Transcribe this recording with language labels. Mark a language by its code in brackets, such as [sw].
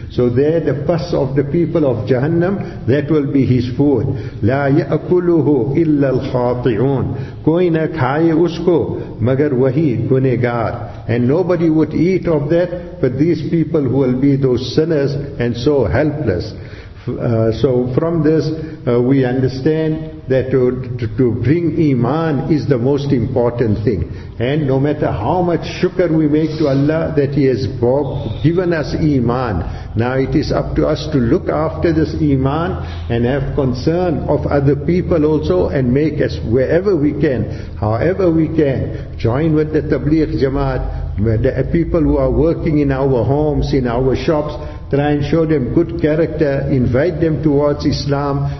[en] So there the pus of the people of Jahannam, that will be his food. [ar] لا يأكله إلا الخاطئون. [ur] کوئی نہ کھائے اس کو مگر وہی گنہگار. [en] And nobody would eat of that but these people who will be those sinners and so helpless. So from this we understand that to bring iman is the most important thing. And no matter how much shukr we make to Allah that He has given us iman, now it is up to us to look after this iman and have concern of other people also, and make us wherever we can, however we can, join with the Tabligh Jamaat, the people who are working in our homes, in our shops, try and show them good character, invite them towards Islam.